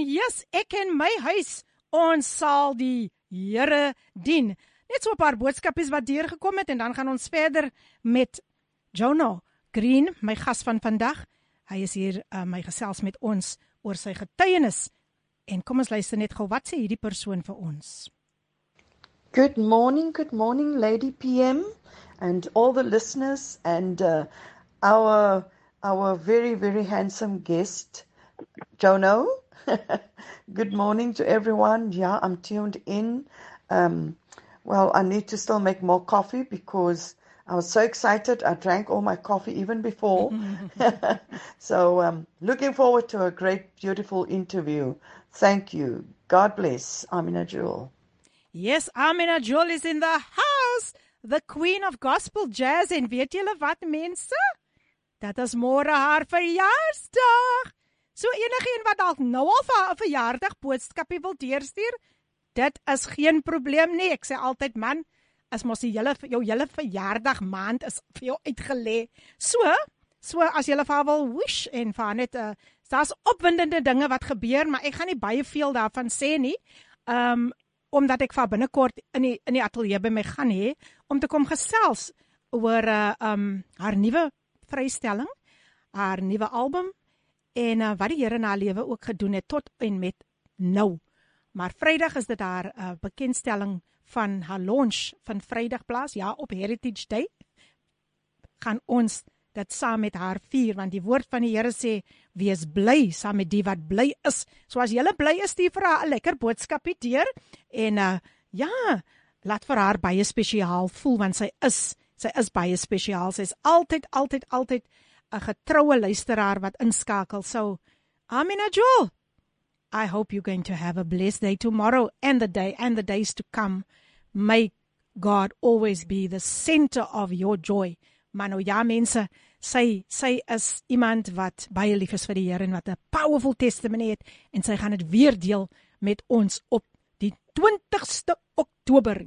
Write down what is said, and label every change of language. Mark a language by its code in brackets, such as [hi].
[af] Yes, ek en my huis, ons sal die Here dien. Net so 'n paar boodskapies wat deurgekom het en dan gaan ons verder met Jono Green, my gas van vandag. Hy is hier my gesels met ons oor sy getuienis. En kom ons luister net gou wat sê hierdie persoon vir ons. [en] Good morning Lady PM and all the listeners and our very, very handsome guest, Jono. Good morning to everyone. Yeah, I'm tuned in. Well, I need to still make more coffee because I was so excited. I drank all my coffee even before. So looking forward to a great, beautiful interview. Thank you. God bless. Amina Jewel. Yes, Amina Jewel is in the house. The queen of gospel jazz. [af] En weet julle wat mense? Dat is môre haar verjaarsdag. So enige een wat dalk nou al vir 'n verjaardag boodskapie wil deurstuur, dit is geen probleem nie. Ek sê altyd, man, as mos die hele jou hele verjaardag maand is vir jou uitgelê. So as jy haar wil wish en vir net daar's opwindende dinge wat gebeur, maar ek gaan nie baie veel daarvan sê nie. Omdat ek vir binnekort in die ateljee by my gaan hê om te kom gesels oor haar nuwe vrystelling, haar nuwe album en wat die Here in haar lewe ook gedoen het tot en met nou. Maar Vrydag is dit haar bekendstelling van haar launch van Vrydag plaas, ja, op Heritage Day. Gaan ons dit saam met haar vier, want die woord van die Here sê, wees bly saam met die wat bly is. So as jylle bly is, stuur vir haar 'n lekker boodskapie deur en laat vir haar baie spesiaal voel, want sy is baie spesiaal. Sy is altyd 'n getroue luisteraar wat inskakel. [en] So, Amina Jewel, I hope you're going to have a blessed day tomorrow and the day and the days to come. May God always be the center of your joy. [af] Maar nou ja, mense, sy is iemand wat baie lief is vir die Here en wat 'n [en] powerful testimony [af] het en sy gaan dit weer deel met ons op die 20ste Oktober.